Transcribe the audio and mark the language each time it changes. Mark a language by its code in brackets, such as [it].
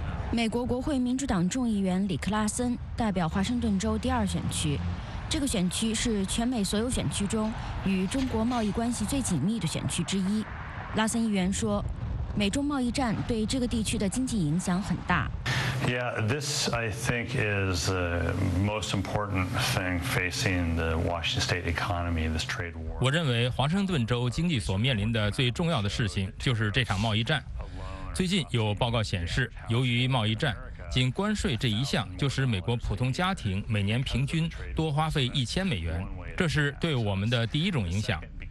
[zh] 美国国会民主党众议员里克拉森代表华盛顿州第二选区，这个选区是全美所有选区中与中国贸易关系最紧密的选区之一。拉森议员说，美中贸易战对这个地区的经济影响很大。 [en] Yeah, this I think is the most important thing facing the Washington State economy, this trade war. [zh] 我认为华盛顿州经济所面临的最重要的事情就是这场贸易战。最近有报告显示，由于贸易战，仅关税这一项就使美国普通家庭每年平均多花费$1,000，这是对我们的第一种影响。